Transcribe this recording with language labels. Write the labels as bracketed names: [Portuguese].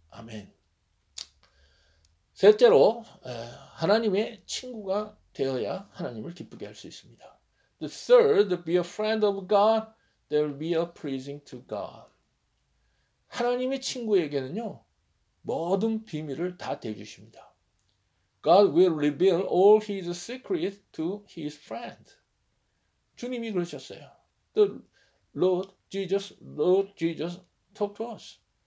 [English] Amen. [Korean] 셋째로 하나님의 친구가 되어야 하나님을 기쁘게 할 수 있습니다. [English] The third, be a friend of God, there will be a pleasing to God. [Korean] 하나님의 친구에게는요, 모든 비밀을 다 대주십니다. [English] God will reveal all his secrets to his friend. [Korean] 주님이 그러셨어요. [English] Lord Jesus, talk to us.